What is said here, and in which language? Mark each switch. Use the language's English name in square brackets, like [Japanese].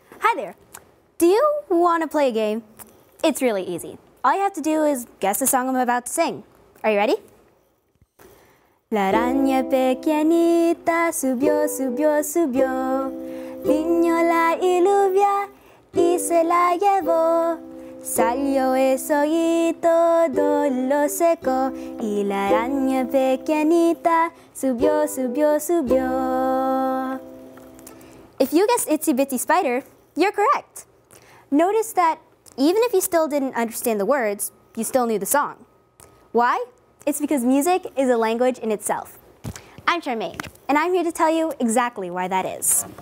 [English] Hi there. Do you want to play a game? It's really easy. All you have to do is guess the song I'm about to sing. Are you ready? [Spanish] La araña pequeñita subió, subió, subió. Vino la lluvia y se la llevó. Salió eso y todo lo secó. Y la araña pequeñita subió, subió, subió. [English] If you guess Itsy Bitsy Spider, you're correct. Notice that even if you still didn't understand the words, you still knew the song. Why? It's because music is a language in itself. I'm Charmain, and I'm here to tell you exactly why that is.